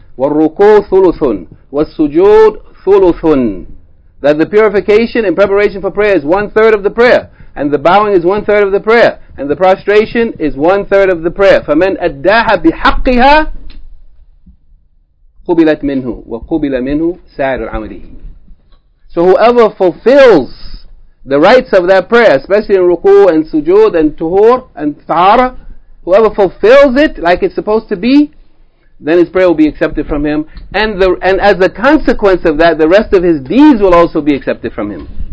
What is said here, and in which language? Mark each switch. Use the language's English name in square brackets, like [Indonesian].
[Arabic] والركوع ثلثٌ والسجود ثلثٌ. [English] That the purification and preparation for prayer is one third of the prayer, and the bowing is one third of the prayer, and the prostration is one third of the prayer. [Arabic] فمن أداها بحقها قبلت منه وقبل منه سائر عمله. [English] So whoever fulfills the rights of that prayer, especially in ركوع and سجود and تهور and طهارة, whoever fulfills it like it's supposed to be, then his prayer will be accepted from him, and as a consequence of that, the rest of his deeds will also be accepted from him.